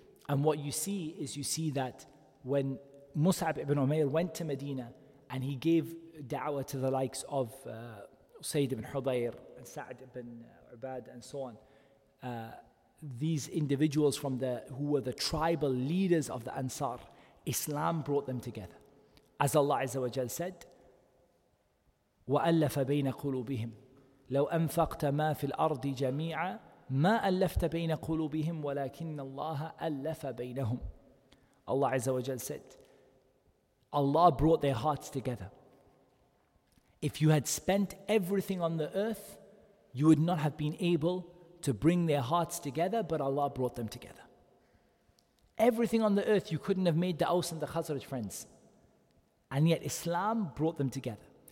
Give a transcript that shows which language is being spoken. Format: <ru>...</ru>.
<en>And what you see is you see that when Mus'ab ibn Umair went to Medina and he gave da'wah to the likes of Sayyid ibn Hudayr and Sa'd ibn Ubad and so on, these individuals who were the tribal leaders of the Ansar, Islam brought them together. As Allah Azza wa Jal said,</en> <ar>وَأَلَّفَ بَيْنَ قُلُوبِهِمْ لَوْ أَنْفَقْتَ مَا فِي الْأَرْضِ جَمِيعًا مَا أَلَّفْتَ بَيْنَ قُلُوبِهِمْ وَلَكِنَّ اللَّهَ أَلَّفَ بَيْنَهُمْ.</ar> <en>Allah Azza wa Jal said, Allah brought their hearts together. If you had spent everything on the earth, you would not have been able to bring their hearts together, but Allah brought them together. Everything on the earth, you couldn't have made the Aws and the Khazraj friends. And yet Islam brought them together.</en>